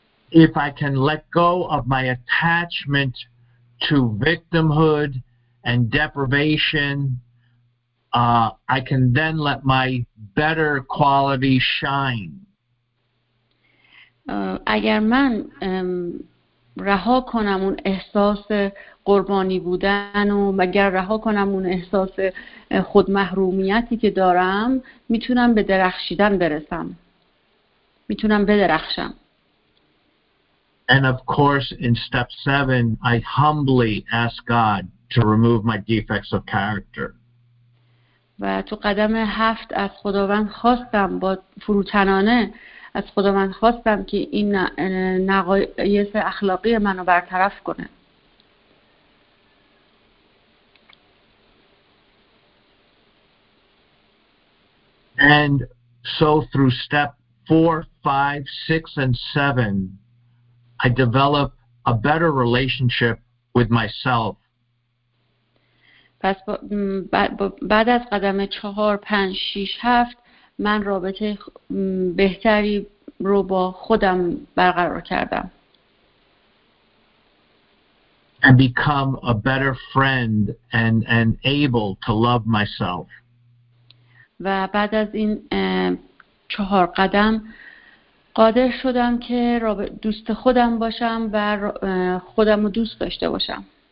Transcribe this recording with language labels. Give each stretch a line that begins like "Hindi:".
English: If I can let go of my attachment to victimhood and deprivation, I can then let my better quality shine.
Persian: اگر من رها کنم اون احساس قربانی بودن و اگر رها کنم اون احساس خودمحرومیتی که دارم، میتونم به درخشیدن برسم. میتونم بدرخشم.
English: And of course, in step seven, I humbly ask God to remove my defects of character.
Persian: و تو قدم هفت از خداوند خواستم، با فروتنانه از خداوند خواستم که این نقایص اخلاقی منو برطرف کنه.
English: And so through step four, five, six, and seven, I develop a better relationship with myself.
Persian: پس بعد از قدم 4 5 6 7 من رابطه بهتری رو با خودم برقرار کردم.
English: And become a better friend and able to love myself.
Persian: و بعد از این 4 قدم قادر شدم که دوست خودم باشم و خودم رو دوست داشته باشم.